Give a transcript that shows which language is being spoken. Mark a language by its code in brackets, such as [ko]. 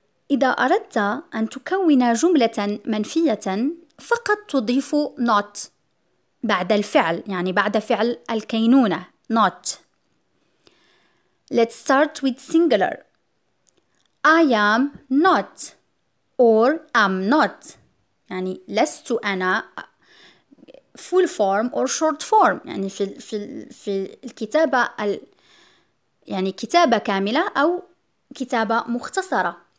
[ar] إذا أردت أن تكون جملة منفية فقط تضيف not بعد الفعل، يعني بعد فعل الكينونة not. [en] Let's start with singular. I am not or am not. [ar] يعني لست أنا [en] full form or short form، [ar] يعني في الكتابة يعني كتابة كاملة أو كتابة مختصرة.